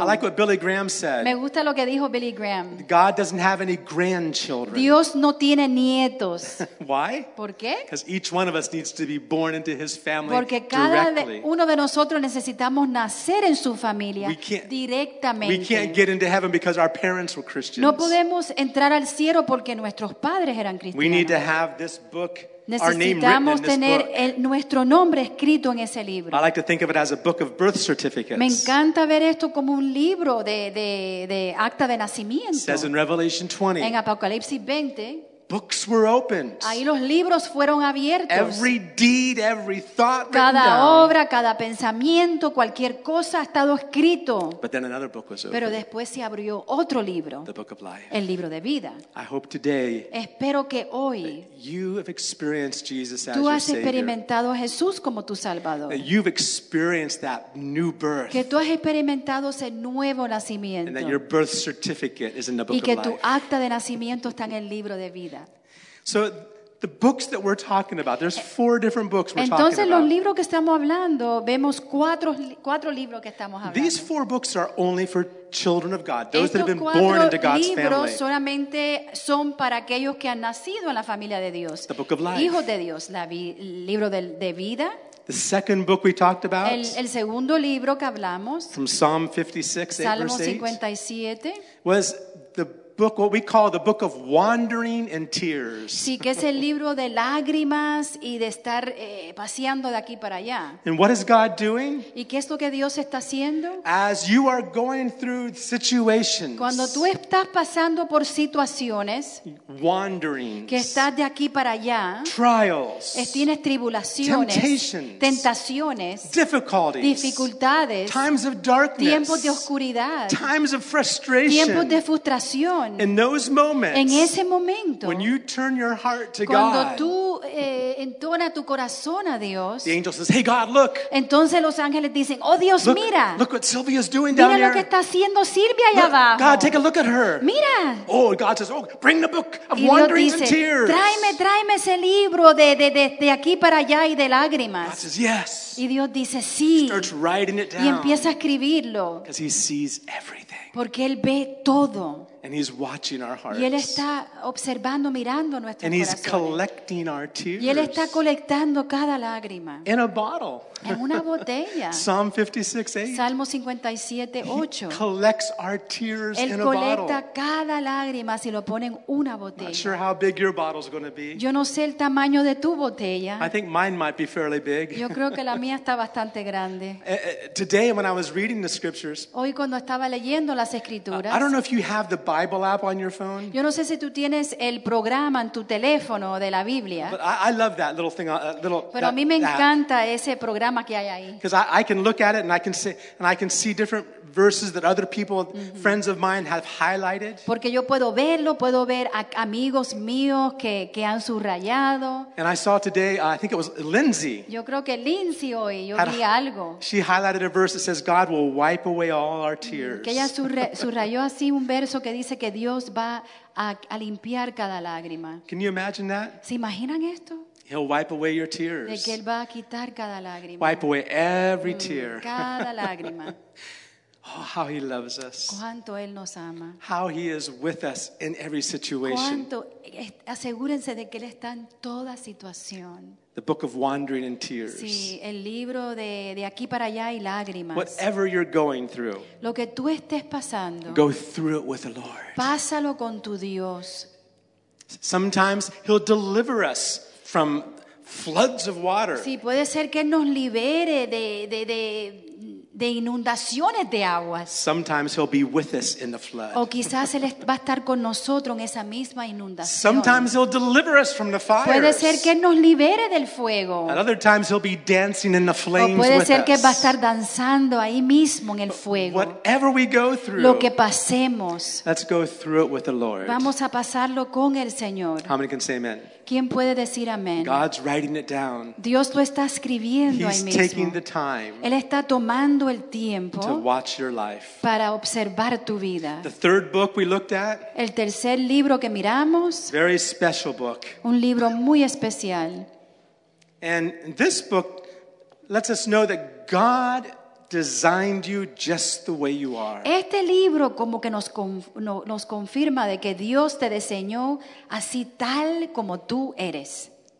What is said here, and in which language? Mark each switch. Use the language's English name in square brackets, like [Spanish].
[English] I like what Billy Graham said. [Spanish] Me gusta lo que dijo Billy Graham. [English] God doesn't have any grandchildren. [Spanish] Dios no tiene nietos. [English] Why? [Spanish] ¿Por qué? [English] Because each one of us needs to be born into his family [Spanish] porque cada [English] directly. [Spanish] Uno de nosotros necesitamos nacer en su familia directamente. [English] We can't get into heaven because our parents were Christians. [Spanish] No podemos entrar al cielo porque nuestros padres eran cristianos. [English] We need to have this book. [Spanish] Necesitamos tener nuestro nombre escrito en ese libro. [English] I like to think of it as a book of birth certificates. [Spanish] Me encanta ver esto como un libro de acta de nacimiento. [English] It says in Revelation 20. [Spanish] En Apocalipsis 20. [English] Books were opened. [Spanish] Ahí los libros fueron abiertos. [English] Every deed, every thought [Spanish] cada [English] written down. [Spanish] Obra, cada pensamiento, cualquier cosa ha estado escrito. [English] But then another book was opened. [Spanish] Pero después se abrió otro libro. [English] The book of life. [Spanish] El libro de vida. [English] I hope today. [Spanish] Espero que hoy. [English] You have experienced Jesus as [Spanish] tú has [English] your [Spanish] experimentado [English] Savior. [Spanish] A Jesús como tu Salvador. [English] That you've experienced that new birth. [Spanish] Que tú has experimentado ese nuevo nacimiento. [English] And that your birth certificate is in the book [Spanish] y que [English] of [Spanish] tu [English] life. [Spanish] Acta de nacimiento está en el libro de vida. [English] So the books that we're talking about, there's four different books we're [Spanish] entonces, [English] talking about. [Spanish] Entonces los libros que estamos hablando, vemos cuatro libros que estamos hablando. [English] These four books are only for children of God, those [Spanish] estos [English] that have been born into God's family. [Spanish] Estos cuatro libros solamente son para aquellos que han nacido en la familia de Dios. [English] The book of life. [Spanish] Hijos de Dios, libro de vida. [English] The second book we talked about. [Spanish] El segundo libro que hablamos. [English] From Psalm 56, [Spanish] Salmo 57. Salmo 57. [English] Was the book, what we call the book of wandering and tears. [Spanish] Sí, que es el libro de lágrimas y de estar paseando de aquí para allá. [English] And what is God doing? [Spanish] ¿Y qué es lo que Dios está haciendo? [English] As you are going through situations. [Spanish] Cuando tú estás pasando por situaciones. [English] Wandering. [Spanish] Que estás de aquí para allá. [English] Trials. [Spanish] Tienes tribulaciones. [English] Temptations. [Spanish] Tentaciones. [English] Difficulties. [Spanish] Dificultades. [English] Times of darkness. [Spanish] Tiempos de oscuridad. [English] Times of frustration. [Spanish] Tiempos de frustración. [English] In those moments, [Spanish] en ese momento, [English] when you turn your heart to [Spanish] cuando [English] God, [Spanish] tú entona tu corazón a Dios, [English] the angel says, "Hey, God, look." [Spanish] Entonces los ángeles dicen, "Oh, Dios, [English] look, [Spanish] mira. [English] Look what Sylvia's doing [Spanish] mira [English] down here. [Spanish] Mira lo que está haciendo Silvia allá [English] look, [Spanish] abajo. [English] God, take a look at her. [Spanish] Mira. [English] Oh, God says, "Oh, bring the book of wanderings [Spanish] dice, [English] and tears. [Spanish] Tráeme ese libro de aquí para allá y de lágrimas." [English] God says, "Yes." [Spanish] Y Dios dice, "Sí." [English] Starts writing it down. [Spanish] Y empieza a escribirlo. [English] Because he sees everything. [Spanish] Porque él ve todo. [English] And he's watching our hearts. [Spanish] Y él está observando, mirando nuestros corazones. [English] And he's collecting our tears. [Spanish] Y él está colectando cada lágrima. [English] In a bottle. [Spanish] En una botella. [English] Psalm 56:8. [Spanish] Salmo 57:8. [English] Collects our tears in a bottle. [Spanish] Él colecta cada lágrima si lo pone en una botella. [English] Not sure how big your bottle's going to be. [Spanish] Yo no sé el tamaño de tu botella. [English] I think mine might be fairly big. [Spanish] Yo creo que la mía está bastante grande. [English] Today when I was reading the scriptures. [Spanish] Hoy cuando estaba leyendo las escrituras. [English] I don't know if you have the Bible app on your phone. [Spanish] Yo no sé si tú tienes el programa en tu teléfono de la Biblia. [English] But I love that little thing. [Spanish] Pero a mí me encanta ese programa que hay ahí. [English] Because I can look at it and I can see different verses that other people, friends of mine, have highlighted. [Spanish] Porque yo puedo verlo, puedo ver a amigos míos que han subrayado. [English] And I saw today, I think it was Lindsay. [Spanish] Yo creo que Lindsay hoy, yo vi algo. [English] She highlighted a verse that says, "God will wipe away all our tears." [Spanish] Que ella subrayó así un verso que dice que Dios va a limpiar cada lágrima. [English] Can you imagine that? [Spanish] ¿Se imaginan esto? [English] He'll wipe away your tears. [Spanish] De que él va a quitar cada lágrima. [English] Wipe away every tear. [Spanish] Cada lágrima. [English] Oh, how he loves us. [Spanish] Cuánto él nos ama. [English] How he is with us in every situation. [Spanish] Cuánto, asegúrense de que él está en toda situación. [English] The book of wandering and tears. [Spanish] Sí, el libro de aquí para allá y lágrimas. [English] Whatever you're going through. [Spanish] Lo que tú estés pasando. [English] Go through it with the Lord. [Spanish] Pásalo con tu Dios. [English] Sometimes he'll deliver us from floods of water. [Spanish] Sí, puede ser que nos libere de inundaciones de aguas. [English] Sometimes he'll be with us in the flood. [Spanish] O quizás él va a estar con nosotros en esa misma inundación. [English] Sometimes he'll deliver us from the fires. [Spanish] Puede ser que nos libere del fuego. [English] At other times he'll be dancing in the flames with us. [Spanish] O puede ser que va a estar danzando ahí mismo en el fuego. [English] Whatever we go through. [Spanish] Lo que pasemos. [English] Let's go through it with the Lord. [Spanish] Vamos a pasarlo con el Señor. [English] How many can say amen? [Spanish] ¿Quién puede decir amén? [English] God's writing it down. [Spanish] Dios lo está escribiendo ahí mismo. [English] He's taking the time. [Spanish] Él está tomando el tiempo [English] to watch your life. [Spanish] Para observar tu vida. [English] The third book we looked at. [Spanish] El tercer libro que miramos. [English] Very special book. [Spanish] Un libro muy especial. [English] And this book lets us know that God designed you just the way you are. [Spanish] Este libro como que nos confirma de que Dios te diseñó así tal como tú eres.